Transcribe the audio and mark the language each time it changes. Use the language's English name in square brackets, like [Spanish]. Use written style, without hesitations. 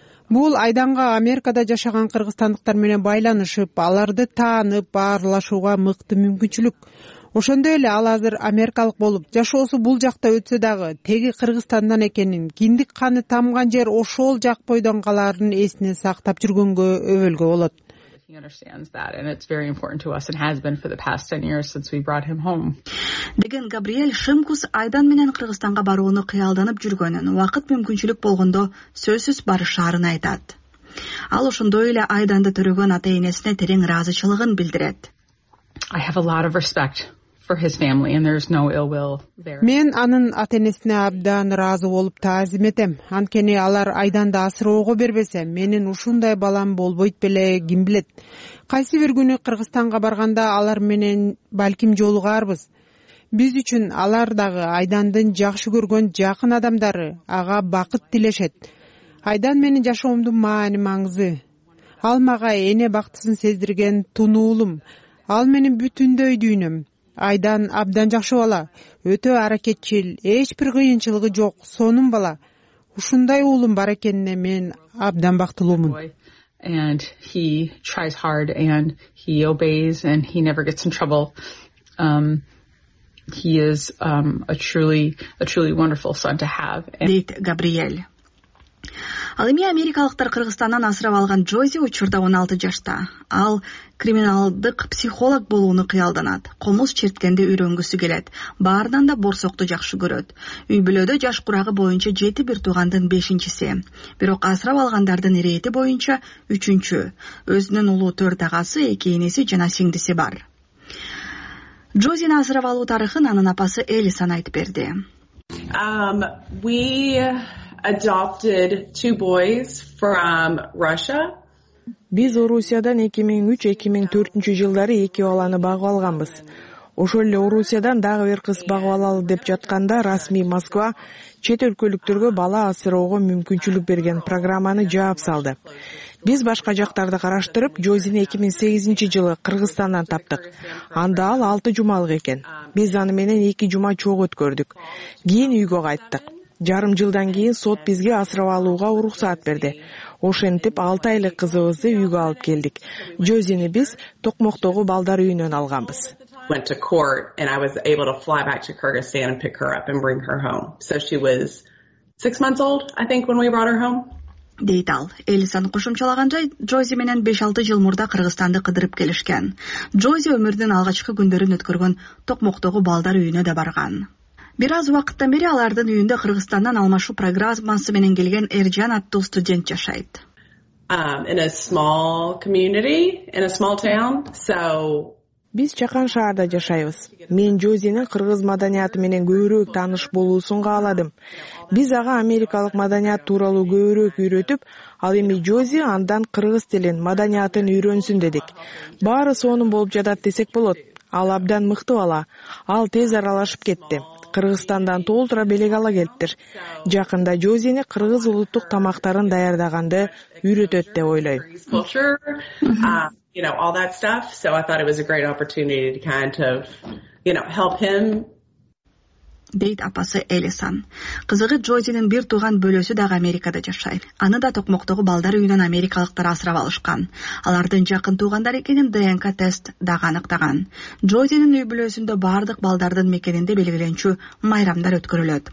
[Kyrgyz] Бул Айданга Америкада жашаган кыргызстандыктар менен байланышып, аларды таанып, баарлашууга мыкты мүмкүнчүлүк. Ошондой эле ал азыр америкалык болуп, жашоосу бул жакта өтсө дагы, теги Кыргызстандан экенин, киндик каны тамган жер ошол жак бойдон каларын эсине сактап жүргөнгө өбөлгө болот. [English] He understands that and it's very important to us and has been for the past 10 years since we brought him home. [Kyrgyz] Деген Габриэль Шымкус Айдан менен Кыргызстанга барууну кыялданып жүргөнүн, вакыт мүмкүнчүлүк болгондо сөзсүз барышарын айтат. Ал ошондой эле Айданды төрөгөн ата-энесине терең ыраазычылыгын билдирет. [English] I have a lot of respect for his family and there's no ill will there. [Kyrgyz] Мен анын ата-энесине абдан ыраазы болуп таазим этем. Анткени алар Айданды асыроого бербесе, менин ушундай балам болбойт беле, ким билет. Кайсы бир күнү Кыргызстанга барганда алар менен балким жолугарбыз. Биз үчүн алар дагы Айдандын жакшы көргөн жакын адамдары, ага бакыт тилешет. Айдан менин жашоомдун маани маңызы. Ал мага эне бактысын сездирген тунуулум. Ал менин бүтүндөй дүйнөм. Айдан абдан жакшы бала, өтө аракетчил, эч бир кыйынчылыгы жок, сонун бала. Ушундай уулум бар экенине мен абдан бактылуумун. [English] And he tries hard and he obeys and he never gets in trouble. He is a truly wonderful son to have. [Kyrgyz] Дейт Габриэль. Ал эми америкалыктар Кыргызстандан асырап алган Джози учурда 16 жашта. Ал криминалдык психолог болууну кыялданат. Комуз черткенде үйрөнгүсү келет. Баарынан да борсокту жакшы көрөт. Үй бүлөдө жаш курагы боюнча 7 бир туугандын 5-чиси. Бирок асырап алгандардын ирээти боюнча 3-чү. Өзүнүн улуу 4 агасы, 2 энеси жана сиңдиси бар. Джозини асырап алуу тарыхын анын апасы Элисан айтып берди. [English] We adopted two boys from Russia. [Kyrgyz] Биз Орусиядан 2003-2004 жылдары эки баланы багып алганбыз. Ошол эле Орусиядан дагы бир кыз багып алалы деп жатканда расмий Москва чет өлкөлүктөргө бала асыроого мүмкүнчүлүк берген программаны жаап салды. Биз башка жактарды караштырып, Джозини 2008 жылы Кыргызстандан таптык. Анда ал 6 жумалык экен. Биз аны менен 2 жума чогуу өткөрдүк. Кийин үйгө кайттык. Жарым жылдан кийин сот бизге асырап алууга уруксат берди. Ошентип 6 айлык кызыбызды үйгө алып келдик. Джозини биз Токмоктогу балдар үйүнөн алганбыз. [English] Went to court and I was able to fly back to Kyrgyzstan and pick her up and bring her home. So she was 6 months old, I think, when we brought her home. [Kyrgyz] Дейт ал. Элисан кошумчалагандай, Джози менен 5-6 жыл мурда Кыргызстанды кыдырып келишкен. Джози өмүрдүн алгачкы күндөрүн өткөргөн Токмоктогу балдар үйүнө да барган. Бир аз убакыттан бери алардын үйүндө Кыргызстандан алмашуу программасы менен келген Эржан аттуу студент жашайт. [English] In a small community, in a small town. So [Kyrgyz] биз чакан шаарда жашайбыз. Мен Джозинин кыргыз маданияты менен көбүрөөк тааныш болуусун кааладым. Биз ага америкалык маданият тууралуу көбүрөөк үйрөтүп, ал эми Джози андан кыргыз тилин, маданиятын үйрөнсүн дедик. Баары сонун болуп жатат десек болот. Ал абдан мыкты бала. Ал тез аралашып кетти. Кыргызстандан толтура белек ала келиптир. Жакында Джозини кыргыз улуттук тамактарын даярдаганды үйрөтөт деп ойлойм. [English] You know, all that stuff. So I thought it was a great opportunity to kind of, you know, help him. [Kyrgyz] Дейт апасы Элисан. Кызыгы Джозинин бир тууган бөлөсү дагы Америкада жашайт. Аны да Токмоктогу балдар үйүнөн америкалыктар асырап алышкан. Алардын жакын туугандар экенин ДНК тест дагы аныктаган. Джозинин үй бүлөсүндө бардык балдардын мекенинде белгиленчү майрамдар өткөрүлөт.